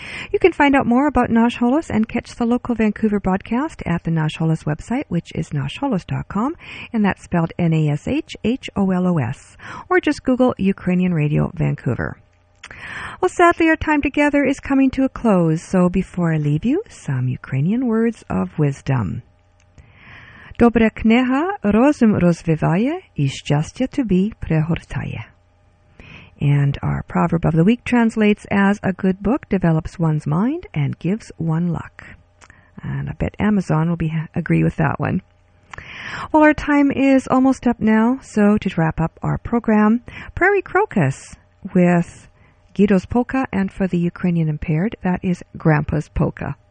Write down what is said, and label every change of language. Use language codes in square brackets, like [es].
[en] You can find out more about Nash Holos and catch the local Vancouver broadcast at the Nash Holos website, which is nashholos.com, and that's spelled N-A-S-H-H-O-L-O-S, or just Google Ukrainian Radio Vancouver. Well, sadly, our time together is coming to a close, so before I leave you, some Ukrainian words of wisdom. [uk] Добре книга розум розвиває і щастя тобі пригортає. [en] And our proverb of the week translates as a good book develops one's mind and gives one luck. And I bet Amazon will agree with that one. Well, our time is almost up now, so to wrap up our program, Prairie Crocus with Guido's Polka, and for the Ukrainian impaired, that is Grandpa's Polka.